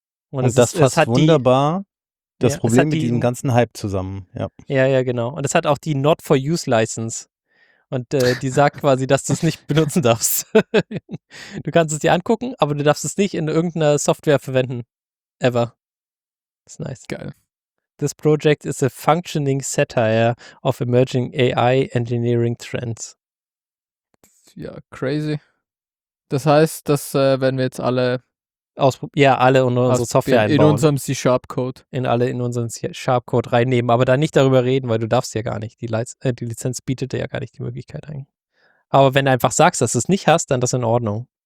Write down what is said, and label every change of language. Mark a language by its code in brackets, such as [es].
[de] Und das fasst wunderbar das Problem mit diesem ganzen Hype zusammen. Ja, ja, genau. Und es hat auch die Not-for-Use-License. Und die sagt quasi, dass du es nicht benutzen darfst. Du kannst es dir angucken, aber du darfst es nicht in irgendeiner Software verwenden. [en] Ever. [de] Das ist nice. Geil. [en] This project is a functioning satire of emerging AI engineering trends. [de] Ja, crazy. Das heißt, dass wenn wir jetzt alle alle in unsere Software einbauen. In unserem C-Sharp-Code. In unseren C-Sharp-Code reinnehmen, aber da nicht darüber reden, weil du darfst ja gar nicht. Die Lizenz bietet dir ja gar nicht die Möglichkeit ein. Aber wenn du einfach sagst, dass du es nicht hast, dann ist das in Ordnung.